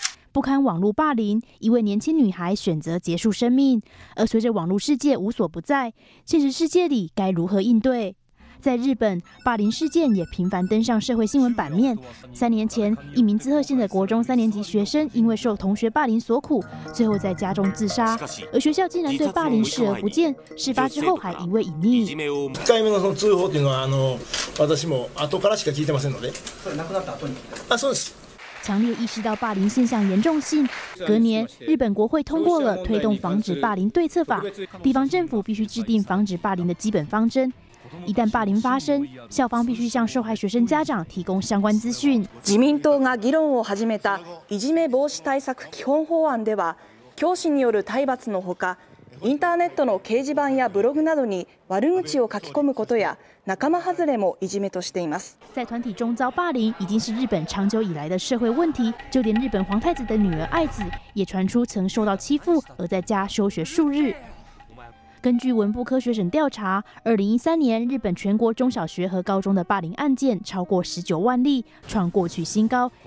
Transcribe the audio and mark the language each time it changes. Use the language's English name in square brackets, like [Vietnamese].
[Chinese] 不堪网络霸凌，一位年轻女孩选择结束生命。而随着网络世界无所不在，现实世界里该如何应对？在日本，霸凌事件也频繁登上社会新闻版面。三年前，一名滋贺县的国中三年级学生因为受同学霸凌所苦，最后在家中自杀，而学校竟然对霸凌视而不见，事发之后还一味隐匿。 [Japanese] 1回目の通報というのは私も後からしか聞いてませんので。 [Chinese] 强烈意识到霸凌现象严重性，隔年日本国会通过了推动防止霸凌对策法，地方政府必须制定防止霸凌的基本方针。一旦霸凌发生，校方必须向受害学生家长提供相关资讯。 [Japanese] 自民党が議論を始めたいじめ防止対策基本法案では、教師による体罰のほか、インターネットの掲示板やブログなどに悪口を書き込むことや仲間外れもいじめとしています。 [Chinese] 在团体中遭霸凌已经是日本长久以来的社会问题，就连日本皇太子的女儿爱子也传出曾受到欺负而在家休学数日。根据文部科学省调查，2013年日本全国中小学和高中的霸凌案件超过19万例，创过去新高。